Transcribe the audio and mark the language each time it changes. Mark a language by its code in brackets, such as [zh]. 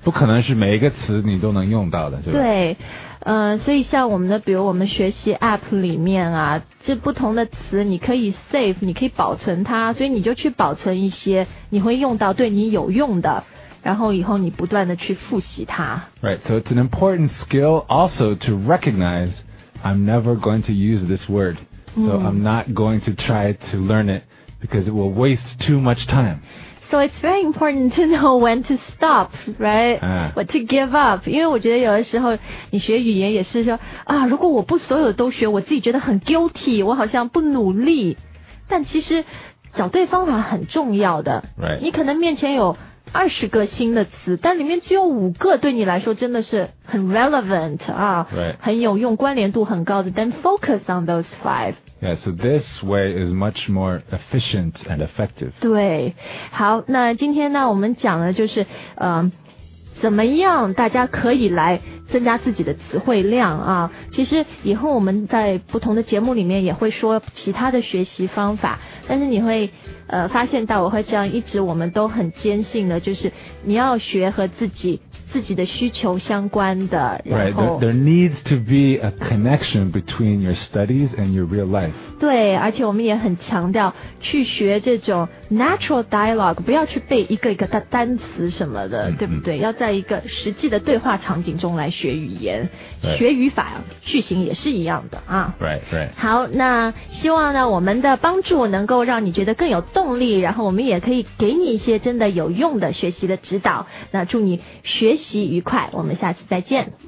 [zh] 不可能是每一个词你都能用到的对所以像我们的比如我们学习 APP 里面啊这不同的词你可以 save 你可以保存它所以你就去保存一些你会用到对你有用的然后以后你不断的去复习它 [en] Right, so it's an important skill also to recognizeI'm never going to use this word, so I'm not going to try to learn it because it will waste too much time. So it's very important to know when to stop, right?、But to give up, [zh] 因为我觉得有的时候你学语言也是说啊，如果我不所有的都学，我自己觉得很 guilty, 我好像不努力。但其实找对方法很重要的。 [en] Right. [zh] 你可能面前有20个新的词，但里面只有5个对你来说真的是很 relevant 啊、 [en] right. [zh] 很有用关联度很高的 [en] then focus on those 5 yeah so this way is much more efficient and effective [zh] 对好那今天呢我们讲的就是怎么样大家可以来增加自己的词汇量啊其实以后我们在不同的节目里面也会说其他的学习方法但是你会发现到我会这样一直我们都很坚信的就是你要学和自己的需求相关的 [en] Right, there needs to be a connection between your studies and your real life. [zh] 对而且我们也很强调去学这种 natural dialogue, 不要去背一个一个单词什么的、对不对要在一个实际的对话场景中来学语言、 [en] right. [zh] 学语法句型也是一样的啊。 [en] Right, right. [zh] 好那希望呢我们的帮助能够让你觉得更有动力然后我们也可以给你一些真的有用的学习的指导那祝你学习愉快我们下次再见